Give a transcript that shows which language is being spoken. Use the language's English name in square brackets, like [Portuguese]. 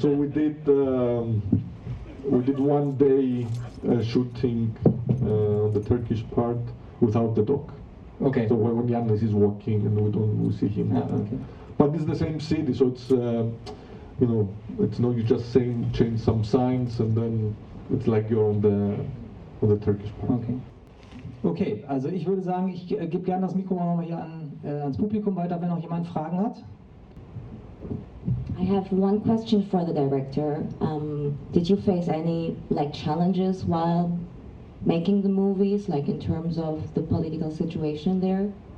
[English] So we did one day shooting the Turkish part without the dog. Okay. So when Yannis is walking and we see him. Yeah, okay. But it's the same city, so it's you know, it's not, you just change some signs and then it's like you're on the Turkish part. Okay. Okay. [German] Also, ich würde sagen, ich gebe gerne das Mikro nochmal hier ans Publikum weiter, wenn noch jemand Fragen hat. [English] I have one question for the director. Did you face any like challenges while making the movies, like in terms of the political situation there?